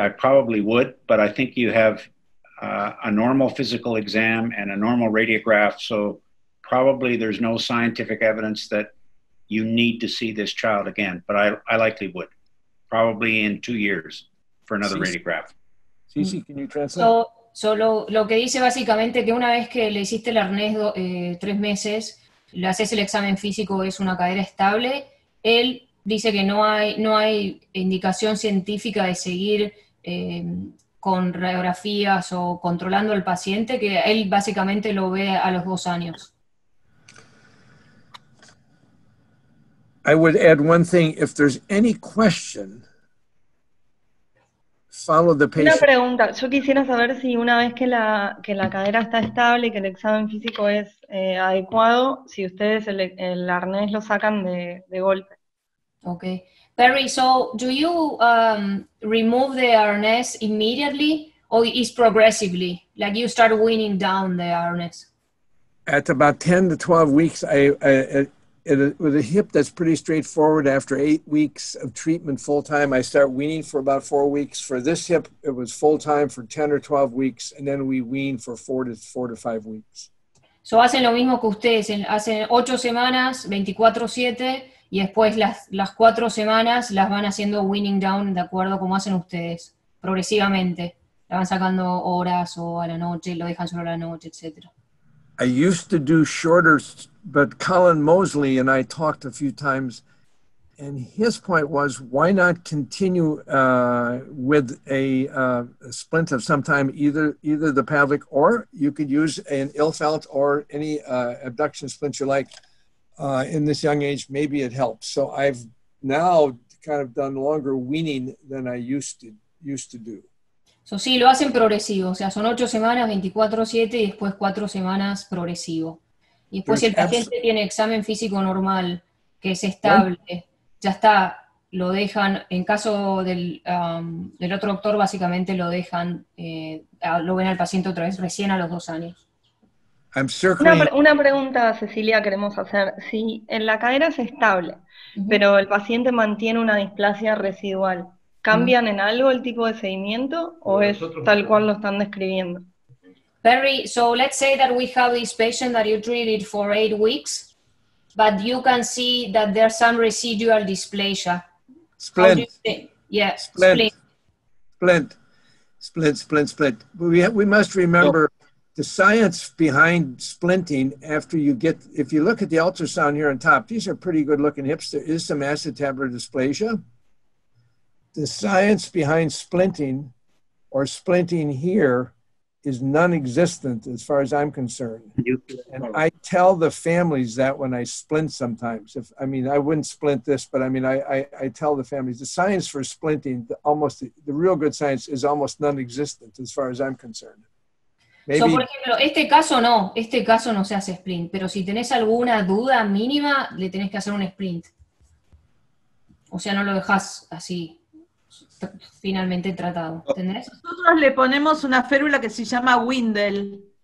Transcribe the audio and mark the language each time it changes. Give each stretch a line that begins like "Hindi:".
English: I probably would, but I think you have a normal physical exam and a normal radiograph, so probably there's no scientific evidence that you need to see this child again, but I likely would, probably in 2 years for another radiograph. Cici, can you translate?
Spanish: So lo que dice básicamente que una vez que le hiciste el arnés tres meses, le haces el examen físico, es una cadera estable, él dice que no hay indicación científica de seguir con radiografías o controlando al paciente, que él básicamente lo ve a los dos años.
English: I would add one thing, if there's any question, follow the patient.
Spanish: Una pregunta, yo quisiera saber si una vez que la cadera está estable y que el examen físico es adecuado, si ustedes el arnés lo sacan de golpe.
English: Okay. Perry, so do you remove the arnés immediately or is progressively? Like you start weaning down the arnés? At about 10 to 12 weeks, with a hip that's pretty straightforward, after 8 weeks of treatment full-time, I start weaning for about 4 weeks. For this hip, it was full-time for 10 or 12 weeks, and then we wean for four to five weeks.
Spanish: So hacen lo mismo que ustedes, hacen 8 semanas, 24/7, y después las 4 semanas las van haciendo
English: weaning down,
Spanish: de acuerdo a como hacen ustedes, progresivamente. La van sacando horas o a la noche, lo dejan solo a la noche, etc.
English: I used to do shorter, but Colin Mosley and I talked a few times, and his point was, why not continue with a splint of some time, either the pavlik, or you could use an ilfelt or any abduction splint you like in this young age, maybe it helps. So I've now kind of done longer weaning than I used to do.
Spanish: So sí, lo hacen progresivo, o sea, son 8 semanas, 24/7, y después 4 semanas progresivo. Y después si el paciente tiene examen físico normal, que es estable, ya está, lo dejan, en caso del otro doctor, básicamente lo dejan, lo ven al paciente otra vez recién a los 2 años.
English: I'm circling.
Spanish: Una pregunta, Cecilia, queremos hacer. Si en la cadera es estable, pero el paciente mantiene una displasia residual, ¿cambian en algo el tipo de seguimiento o es tal cual lo están describiendo?
English: Perry, so let's say that we have this patient that you treated for 8 weeks, but you can see that there's some residual dysplasia. Splint. Yeah, splint. Splint. Splint, splint, splint. We must remember the science behind splinting after you get, if you look at the ultrasound here on top, these are pretty good looking hips. There is some acetabular dysplasia. The science behind splinting or splinting here is non-existent as far as I'm concerned. And I tell the families that when I splint sometimes. I wouldn't splint this, but I mean, I tell the families the science for splinting, the real good science is almost non-existent as far as I'm concerned. Maybe.
Spanish: So, por ejemplo, este caso no se hace splint, pero si tenés alguna duda mínima, le tenés que hacer un splint. O sea, no lo dejás así. Finalmente tratado. ¿Entendés? Nosotros le ponemos una férula que se llama Windel.